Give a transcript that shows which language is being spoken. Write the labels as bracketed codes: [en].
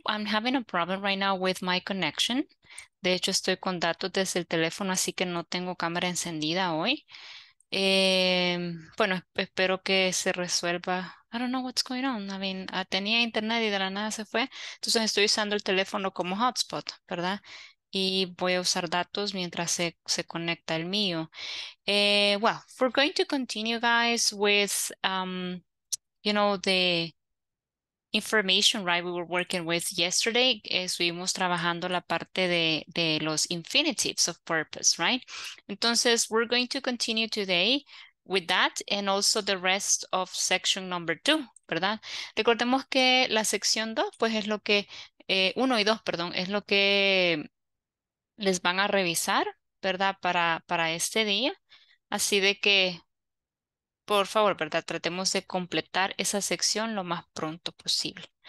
[en] I'm having a problem right now with my connection. [es] De hecho, estoy con datos desde el teléfono, así que no tengo cámara encendida hoy. Bueno, espero que se resuelva. [en] I don't know what's going on. I mean, [es] tenía internet y de la nada se fue. Entonces estoy usando el teléfono como hotspot, ¿verdad? Y voy a usar datos mientras se conecta el mío. [en] Well, we're going to continue, guys, with, you know, the information, right, we were working with yesterday. [es] Estuvimos trabajando la parte de los infinitives of purpose, right? [en] Entonces, we're going to continue today with that and also the rest of section number two, ¿verdad? [es] Recordemos que la sección dos, pues es lo que, uno y dos, perdón, es lo que les van a revisar, ¿verdad? Para este día. Así de que, por favor, ¿verdad? Tratemos de completar esa sección lo más pronto posible.